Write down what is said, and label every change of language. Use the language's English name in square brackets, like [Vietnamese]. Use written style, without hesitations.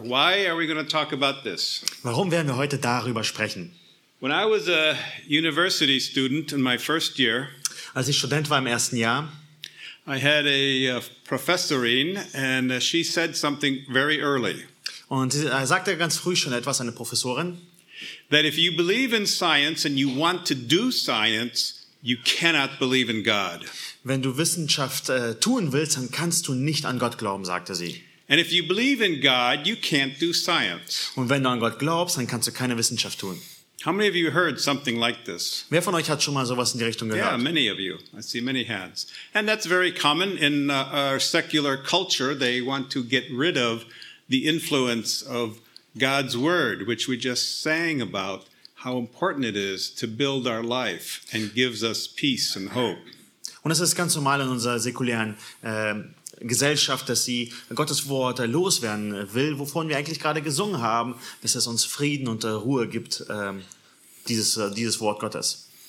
[English] Why are we going to talk about this? [German] Warum werden wir heute darüber sprechen? [English] When I was a university student in my first year, [German] als ich Student war im ersten Jahr, [English] I had a professorin and she said something very early. [German] Und sie sagte ganz früh schon etwas, eine Professorin. [English] That if you believe in science and you want to do science, you cannot believe in God. [German] Wenn du Wissenschaft tun willst, dann kannst du nicht an Gott glauben, sagte sie. [English] And if you believe in God, you can't do science. [German] Und wenn du an Gott glaubst, dann kannst du keine Wissenschaft tun. [English] How many of you heard something like this? [German] Wer von euch hat schon mal sowas in die Richtung gehört? [English] Yeah, many of you. I see many hands. And that's very common in our secular culture. They want to get rid of the influence of God's word, which we just sang about. How important it is to build our life and gives us peace and hope. [German] Und es ist ganz normal in unserer säkulären Gesellschaft, dass sie Gottes Wort loswerden will, wovon wir eigentlich gerade gesungen haben, dass es uns Frieden und Ruhe gibt, dieses Wort Gottes.